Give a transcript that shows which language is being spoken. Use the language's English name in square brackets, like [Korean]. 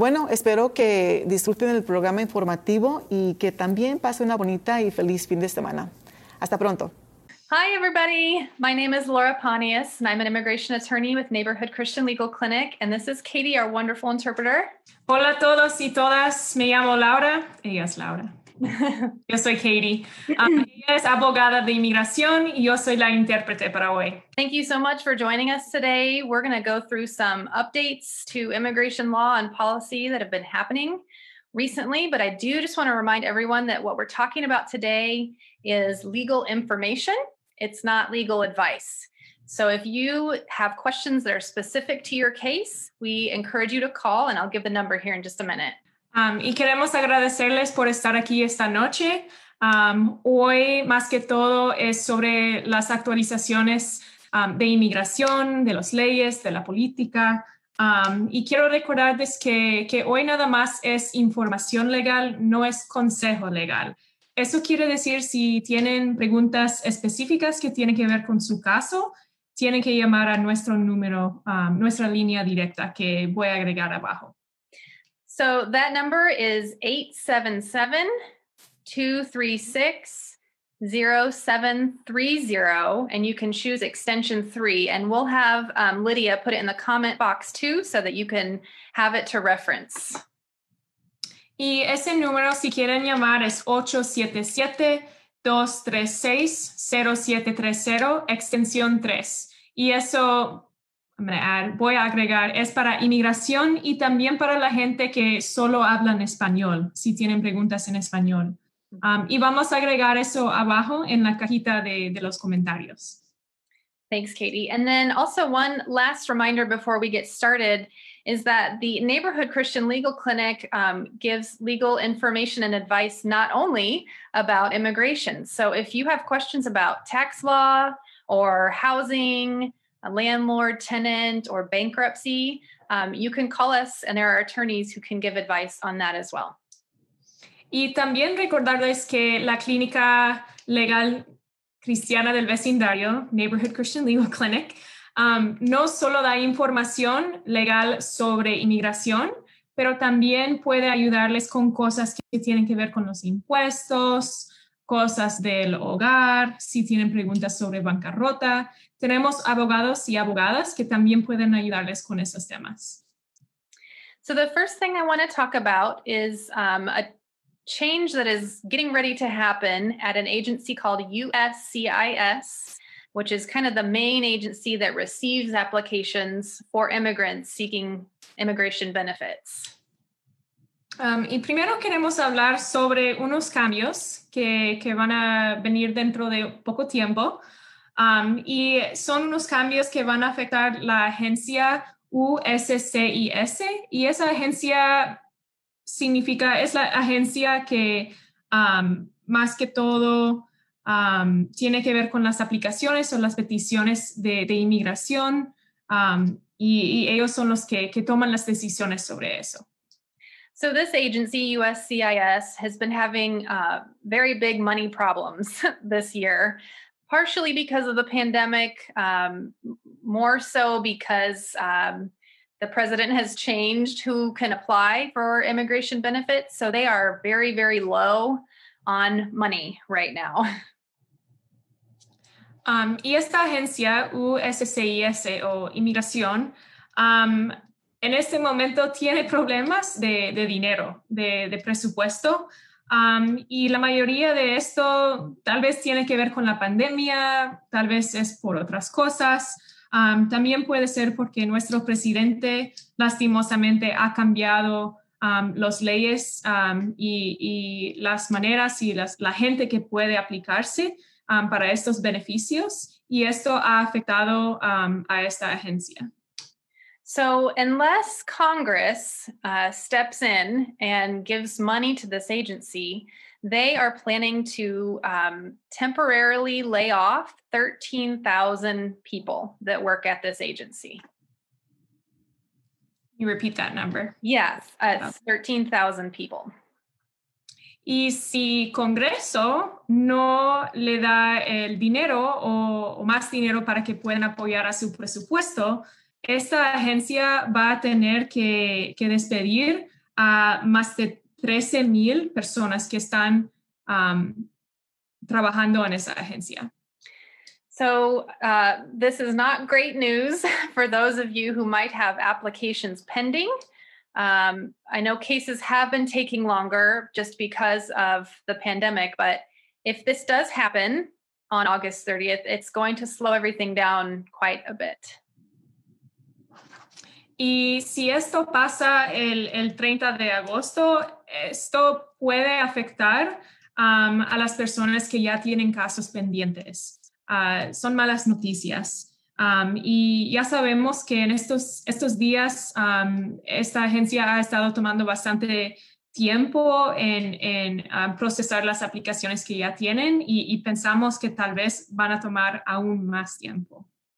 [Spanish] Espero que disfruten el programa informativo y que también pase una bonita y feliz fin de semana. Hasta pronto. [English] Hi, everybody. My name is Laura Panies, and I'm an immigration attorney with Neighborhood Christian Legal Clinic. And this is Katie, our wonderful interpreter. [Spanish] Hola a todos y todas. Me llamo Laura. Ella es Laura. Yo soy Katie. Ella es abogada de inmigración y yo soy la intérprete para hoy. [English] Thank you so much for joining us today. We're going to go through some updates to immigration law and policy that have been happening. recently, but I do just want to remind everyone that what we're talking about today is legal information. It's not legal advice. So if you have questions that are specific to your case, we encourage you to call, and I'll give the number here in just a minute. [Spanish] Y queremos agradecerles por estar aquí esta noche. Hoy, más que todo, es sobre las actualizaciones de inmigración, de las leyes, de la política. Y quiero recordarles que hoy nada más es información legal, no es consejo legal. Eso quiere decir, si tienen preguntas específicas que tienen que ver con su caso, tienen que llamar a nuestro número, nuestra línea directa que voy a agregar abajo. [English] So that number is 877-236-0730, and you can choose extension 3, and we'll have Lydia put it in the comment box too, so that you can have it to reference. [Spanish] Y ese número, si quieren llamar, es 877-236-0730, extensión 3. Y eso, voy a agregar, es para inmigración y también para la gente que solo hablan español, si tienen preguntas en español. Y vamos a agregar eso abajo en la cajita de los comentarios. [English] Thanks, Katie. And then also one last reminder before we get started is that the Neighborhood Christian Legal Clinic gives legal information and advice not only about immigration. So if you have questions about tax law or housing, a landlord, tenant, or bankruptcy, you can call us, and there are attorneys who can give advice on that as well. [Spanish] Y también recordarles que la clínica legal cristiana del vecindario, Neighborhood Christian Legal Clinic, no solo da información legal sobre inmigración, pero también puede ayudarles con cosas que tienen que ver con los impuestos, cosas del hogar, si tienen preguntas sobre bancarrota. Tenemos abogados y abogadas que también pueden ayudarles con esos temas. [English] So the first thing I want to talk about is a change that is getting ready to happen at an agency called USCIS, which is kind of the main agency that receives applications for immigrants seeking immigration benefits. [Spanish] Y primero queremos hablar sobre unos cambios que van a venir dentro de poco tiempo. Y son unos cambios que van a afectar la agencia USCIS. Y esa agencia significa, es la agencia que más que todo tiene que ver con las aplicaciones o las peticiones de inmigración. Y ellos son los que toman las decisiones sobre eso. [English] So this agency, USCIS, has been having very big money problems this year, partially because of the pandemic, more so because the president has changed who can apply for immigration benefits. So they are very, very low on money right now. [Spanish] Y esta agencia, USCIS, o Inmigración, en este momento tiene problemas de dinero, de presupuesto. Y la mayoría de esto tal vez tiene que ver con la pandemia, tal vez es por otras cosas. También puede ser porque nuestro presidente lastimosamente ha cambiado las leyes y las maneras y la gente que puede aplicarse para estos beneficios. Y esto ha afectado a esta agencia. [English] So unless Congress steps in and gives money to this agency, they are planning to temporarily lay off 13,000 people that work at this agency. You repeat that number. Yes, 13,000 people. [Spanish] Y si Congreso no le da el dinero o más dinero para que puedan apoyar a su presupuesto, esta agencia va a tener que despedir a más de 13,000 personas que están trabajando en esa agencia. [English] So this is not great news for those of you who might have applications pending. I know cases have been taking longer just because of the pandemic, but if this does happen on August 30th, it's going to slow everything down quite a bit. [Spanish] Y si esto pasa el 30 de agosto, esto puede afectar a las personas que ya tienen casos pendientes. Son malas noticias. Y ya sabemos que en estos días esta agencia ha estado tomando bastante tiempo en procesar las aplicaciones que ya tienen y pensamos que tal vez van a tomar aún más tiempo.